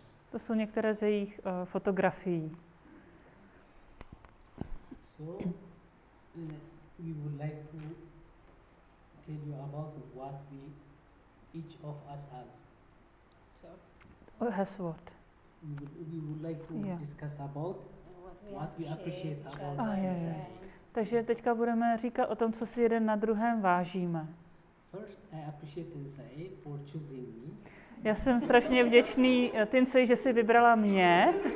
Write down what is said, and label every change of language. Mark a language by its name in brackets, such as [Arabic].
[Czech] To jsou některé z jejich fotografií. [English] We would like to tell you about what we each of us has. Has what? We would like to discuss about what we appreciate about Tinsay. [Czech] Takže teďka budeme říkat o tom, co si jeden na druhém vážíme. [English] First, I appreciate Tinsay for choosing me. [Czech] Já jsem strašně vděčný Tinsay, že si vybrala mě.